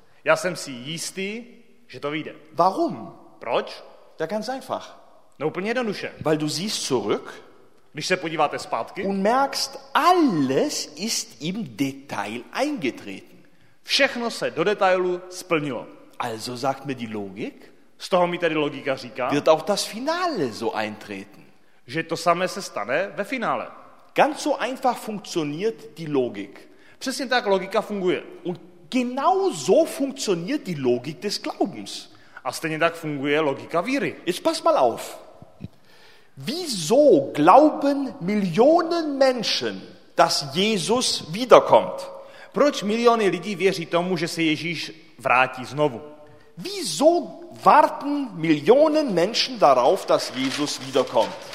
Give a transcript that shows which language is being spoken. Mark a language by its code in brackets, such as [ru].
[cs] Já jsem si jistý, že to vyjde. [de] Warum? [cs] Proč? [de] Ja, ganz einfach. [cs] No úplně jednoduše. [de] Weil du siehst zurück. [cs] Když se podíváte zpátky. [de] Und merkst, alles ist im Detail eingetreten. [cs] Všechno se do detailu splnilo. [de] Also sagt mir die Logik. [cs] Z toho mi tady logika říká. [de] Wird auch das Finale so eintreten. [cs] Že to samé se stane ve finále. [de] Ganz so einfach funktioniert die Logik. [cs] Přesně tak logika funguje. [de] Und genau so funktioniert die Logik des Glaubens. [cs] A stejně tak funguje logika víry. [de] Jetzt pass mal auf. Wieso glauben Millionen Menschen, dass Jesus wiederkommt? [cs] Proč miliony lidí věří tomu, že se Ježíš vrátí znovu? [de] Wieso warten Millionen Menschen darauf, dass Jesus wiederkommt?